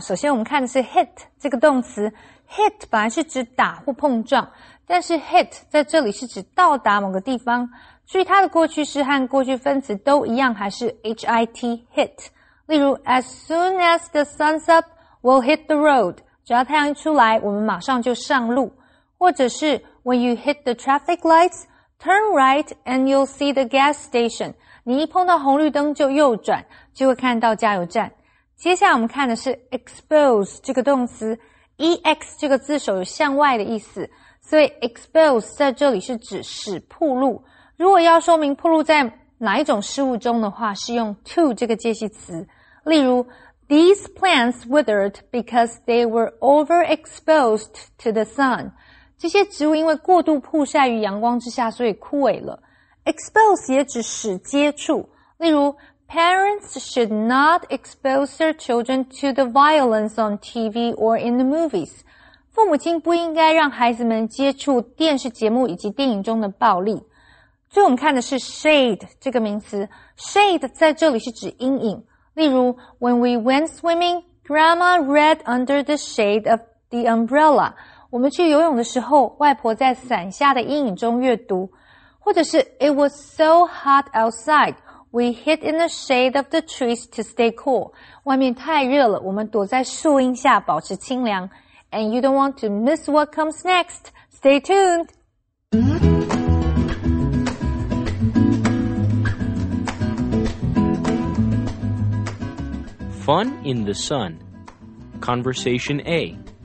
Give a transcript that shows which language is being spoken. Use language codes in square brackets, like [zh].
[zh] 首先我们看的是 hit 这个动词。Hit 本来是指打或碰撞，但是 hit 在这里是指到达某个地方。注意它的过去式和过去分词都一样，还是 hit, hit。例如 [en] ,as soon as the sun's up, we'll hit the road. [zh] 只要太阳一出来，我们马上就上路。或者是 [en] ,when you hit the traffic lights, turn right and you'll see the gas station. [zh] 你一碰到红绿灯就右转，就会看到加油站。接下来我们看的是 expose 这个动词。ex 这个字首有向外的意思，所以 expose 在这里是指使曝露。如果要说明曝露在哪一种事物中的话，是用 to 这个介系词。例如 [en] ,these plants withered because they were overexposed to the sun. [zh] 这些植物因为过度曝晒于阳光之下，所以枯萎了。 expose 也指使接触。例如 [en] ,parents should not expose their children to the violence on TV or in the movies. [zh] 父母亲不应该让孩子们接触电视节目以及电影中的暴力。最后我们看的是 shade 这个名词。shade 在这里是指阴影。例如 [en] ,when we went swimming, grandma read under the shade of the umbrella. [zh] 我们去游泳的时候，外婆在伞下的阴影中阅读。或者是 [en] ,it was so hot outside, we hid in the shade of the trees to stay cool. [zh] 外面太热了，我们躲在树荫下保持清凉。 [en] And you don't want to miss what comes next. Stay tuned! Fun in the Sun. Conversation A.